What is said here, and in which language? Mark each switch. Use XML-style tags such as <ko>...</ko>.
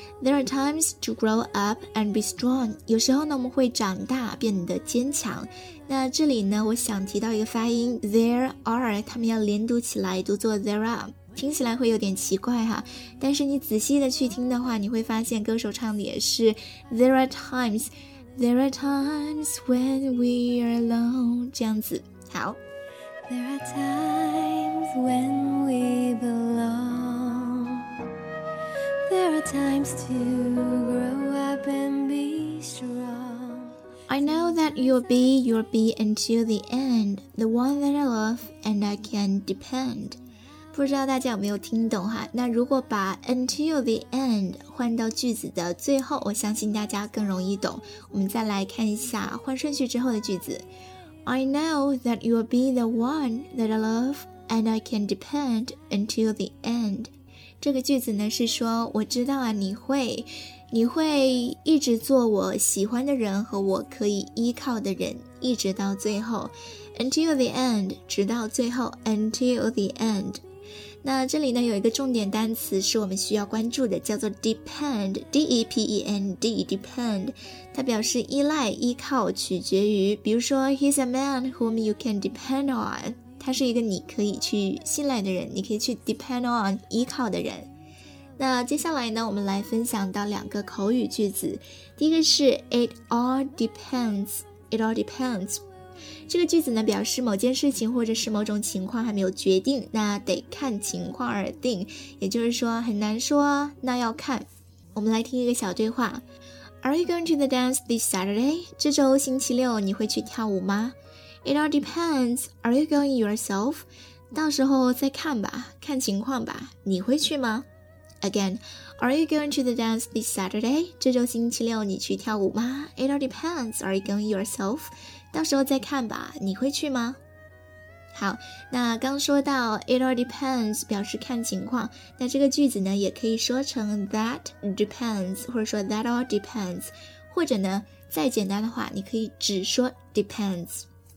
<en>There are times to grow up and be strong.</en> <zh>有时候呢我们会长大变得坚强。那这里呢我想提到一个发音， there are, 它们要连读起来读作 there are。听起来会有点奇怪哈，但是你仔细的去听的话，你会发现歌手唱的也是</zh> <en>There are times when we are alone</en> <zh>这样子。</zh> <en>好， There are times when we belong. There are times to grow up and be strong. I know that you'll be until the end, the one that I love and I can depend.</en> <zh>不知道大家有没有听懂哈？那如果把 until the end 换到句子的最后，我相信大家更容易懂。我们再来看一下换顺序之后的句子。</zh> <en>I know that you'll be the one that I love and I can depend until the end.</en> <zh>这个句子呢是说我知道啊，你会一直做我喜欢的人和我可以依靠的人一直到最后。</zh> <en>Until the end，</en> <zh>直到最后</zh> <en>Until the end。</en> <zh>那这里呢有一个重点单词是我们需要关注的，叫做 depend， D-E-P-E-N-D， depend， 它表示依赖、依靠、取决于，比如说</zh> <en>He's a man whom you can depend on，</en> <zh>他是一个你可以去信赖的人，你可以去 depend on， 依靠的人。那接下来呢我们来分享到两个口语句子，第一个是</zh> <en>It all depends，</en> <zh>It all depends，这个句子呢表示某件事情或者是某种情况还没有决定，那得看情况而定，也就是说很难说，那要看。我们来听一个小对话。</zh> <en>Are you going to the dance this Saturday?</en> <zh>这周星期六你会去跳舞吗？</zh> <en>It all depends. Are you going yourself?</en> <zh>到时候再看吧，看情况吧，你会去吗？</zh> <en>Again, Are you going to the dance this Saturday?</en> <zh>这周星期六你去跳舞吗？</zh> <en>It all depends. Are you going yourself?</en> <zh>到时候再看吧，你会去吗？好，那刚说到 It all depends 表示看情况，那这个句子呢也可以说成</zh> <en>That depends，</en> <zh>或者说</zh> <en>That all depends，</en> <zh>或者呢再简单的话你可以只说 depends。</zh>